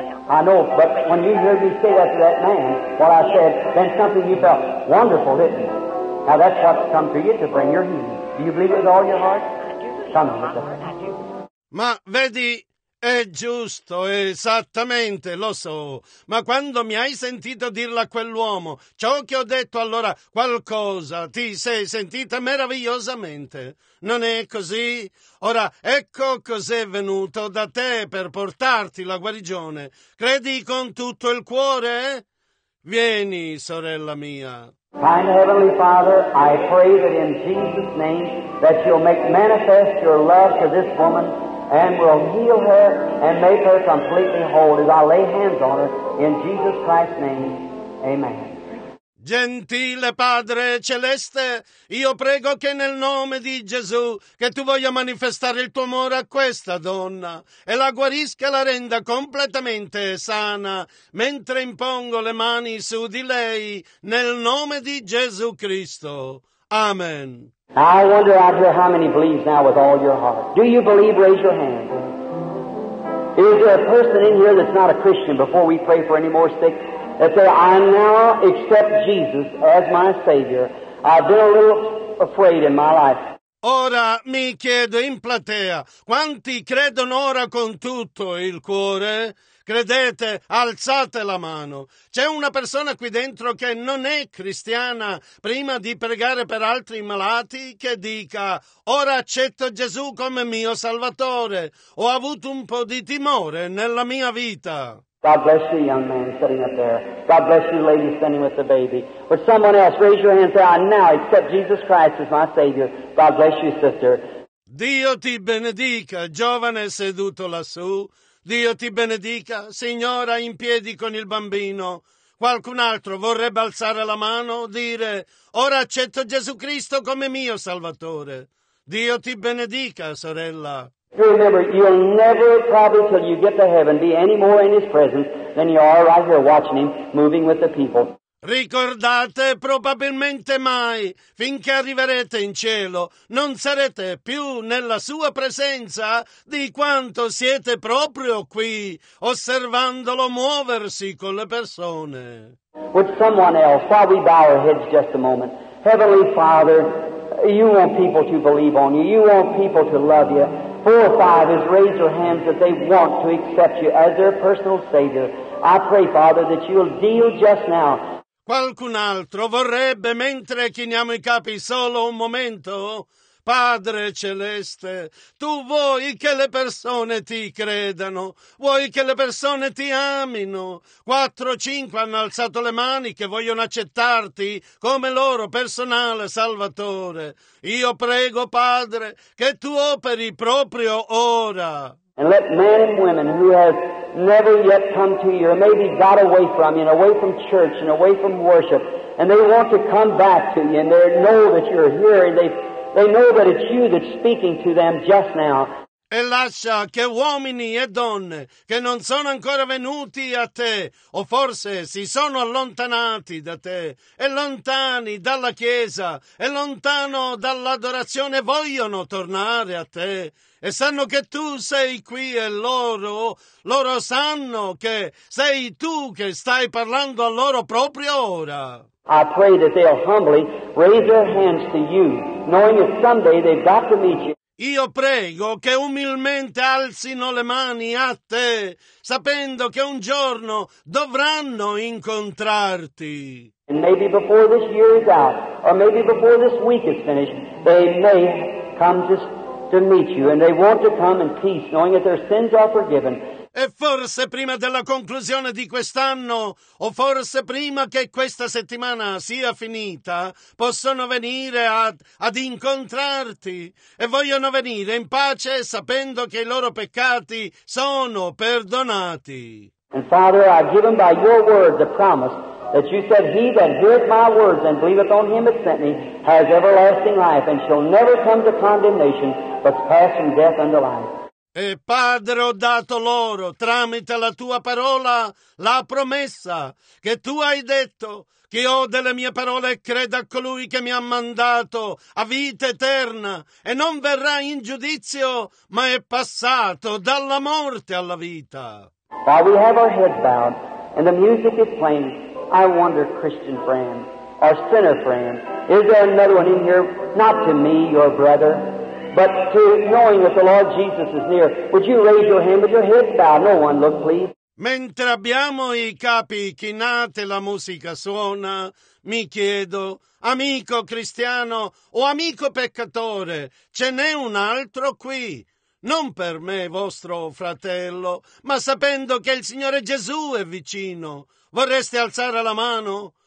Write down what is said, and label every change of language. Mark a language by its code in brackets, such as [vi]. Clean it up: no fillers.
[en] I know, but when you heard me say that to that man, what I said, then something you felt wonderful, didn't you? Now that's what's come to you to bring your healing. Do you believe with all your heart? Come on, sister. [it] Ma vedi, è giusto, esattamente, lo so. Ma quando mi hai sentito dirlo a quell'uomo, ciò che ho detto allora, qualcosa, ti sei sentita meravigliosamente. Non è così? Ora, ecco cos'è venuto da te per portarti la guarigione. Credi con tutto il cuore? Vieni, sorella mia. [en] Kind Heavenly Father, I pray that in Jesus' name that you'll make manifest your love to this woman and will heal her and make her completely whole as I lay hands on her in Jesus Christ's name. Amen. [it] Gentile Padre Celeste, io prego che nel nome di Gesù, che tu voglia manifestare il tuo amore a questa donna e la guarisca e la renda completamente sana, mentre impongo le mani su di lei, nel nome di Gesù Cristo. Amen. [en] I wonder out here how many believes now with all your heart. Do you believe? Raise your hand. Is there a person in here that's not a Christian before we pray for any more sick? That say, I now accept Jesus as my Savior. I've been a little afraid in my life. [it] Ora mi chiedo in platea, quanti credono ora con tutto il cuore? Credete, alzate la mano. C'è una persona qui dentro che non è cristiana. Prima di pregare per altri malati, che dica, ora accetto Gesù come mio Salvatore. Ho avuto un po' di timore nella mia vita. [en] God bless you, young man, sitting up there. God bless you, lady, standing with the baby. But someone else, raise your hand and say, I now accept Jesus Christ as my Savior. God bless you, sister. [it] Dio ti benedica, giovane seduto lassù. Dio ti benedica, signora in piedi con il bambino. Qualcun altro vorrebbe alzare la mano, dire, ora accetto Gesù Cristo come mio Salvatore. Dio ti benedica, sorella. [en] Remember, you'll never probably till you get to heaven be any more in his presence than you are right here watching him, moving with the people. [it] Ricordate, probabilmente mai, finché arriverete in cielo, non sarete più nella sua presenza di quanto siete proprio qui, osservandolo muoversi con le persone. [en] Would someone else, while we bow our heads just a moment, Heavenly Father, you want people to believe on you, you want people to love you. Four or five has raised their hands that they want to accept you as their personal Savior. I pray, Father, that you'll deal just now. [it] Qualcun altro vorrebbe, mentre chiniamo i capi, solo un momento? Padre Celeste, tu vuoi che le persone ti credano, vuoi che le persone ti amino. 4 o 5 hanno alzato le mani che vogliono accettarti come loro personale Salvatore. Io prego, Padre, che tu operi proprio ora. [en] And let men and women who have never yet come to you, or maybe got away from you, and away from church, and away from worship, and they want to come back to you, and they know that you're here, and they know that it's you that's speaking to them just now. [it] E lascia che uomini e donne che non sono ancora venuti a te, o forse si sono allontanati da te, e lontani dalla Chiesa, e lontano dall'adorazione, vogliono tornare a te. E sanno che tu sei qui e loro sanno che sei tu che stai parlando a loro proprio ora. [en] I pray that they'll humbly raise their hands to you, knowing that someday they've got to meet you. [it] Io prego che umilmente alzino le mani a te, sapendo che un giorno dovranno incontrarti. [en] And maybe before this year is out, or maybe before this week is finished, they may come to meet you, and they want to come in peace, knowing that their sins are forgiven. [it] E forse prima della conclusione di quest'anno, o forse prima che questa settimana sia finita, possono venire ad incontrarti e vogliono venire in pace sapendo che i loro peccati sono perdonati. [en] And Father, I give them by your word the promise that you said, he that heareth my words and believeth on him that sent me has everlasting life and shall never come to condemnation but pass from death unto life. [it] E Padre, ho dato loro, tramite la tua parola, la promessa che tu hai detto, chi ode le mie parole e creda a colui che mi ha mandato a vita eterna e non verrà in giudizio, ma è passato dalla morte alla vita. [en] While we have our heads bowed and the music is playing, I wonder, Christian friend, our sinner friend, is there another one in here, not to me, your brother, but to knowing that the Lord Jesus is near, would you raise your hand with your head bowed? No one, look, please. [it] Mentre abbiamo i capi chinati, la musica suona, mi chiedo, amico cristiano o amico peccatore, ce n'è un altro qui? Non per me, vostro fratello, ma sapendo che il Signore Gesù è vicino, vorreste alzare la mano?